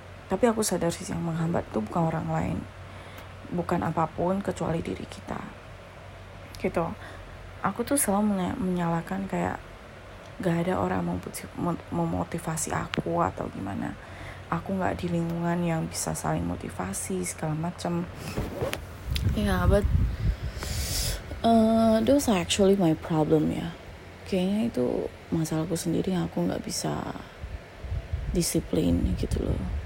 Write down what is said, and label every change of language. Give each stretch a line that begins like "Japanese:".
Indonesian: Tapi aku sadar sih yang menghambat itu bukan orang lain. Bukan apapun kecuali diri kita. Gitu. Aku tuh selalu menyalahkan kayak gak ada orang memotivasi aku atau gimana. Aku gak di lingkungan yang bisa saling motivasi segala macam.
English: Yeah, but those are actually my problem
Indonesian: ya. Kayaknya itu masalahku sendiri yang aku gak bisa disiplin gitu loh.